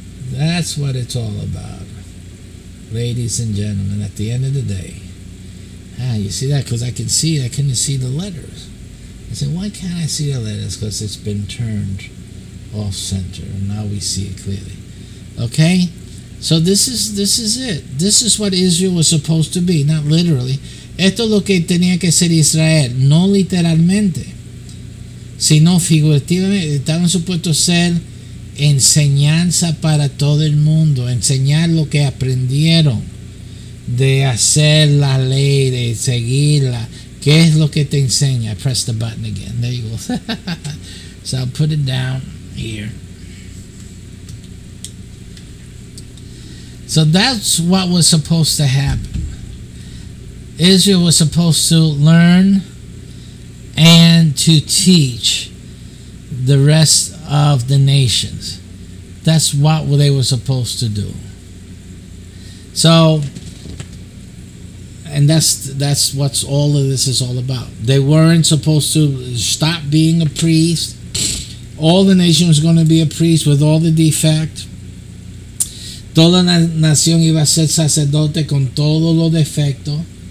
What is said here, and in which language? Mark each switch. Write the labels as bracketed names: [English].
[English] That's what it's all about, ladies and gentlemen, at the end of the day. Ah, you see that? Because I couldn't see the letters. I said, why can't I see the letters? Because it's been turned off center, and now we see it clearly. Okay? So this is it. This is what Israel was supposed to be, not literally. [Spanish] Esto es lo que tenía que ser Israel, no literalmente, sino figurativamente. Estaban supuestos a ser enseñanza para todo el mundo, enseñar lo que aprendieron de hacer la ley, de seguirla. ¿Qué es lo que te enseña? [English] I press the button again. There you go. So I'll put it down here. So that's what was supposed to happen. Israel was supposed to learn and to teach the rest of the nations. That's what they were supposed to do. So, and that's what's all of this is all about. They weren't supposed to stop being a priest. All the nation was going to be a priest with all the defect. [Spanish] Toda la nación iba a ser sacerdote con todo lo defecto.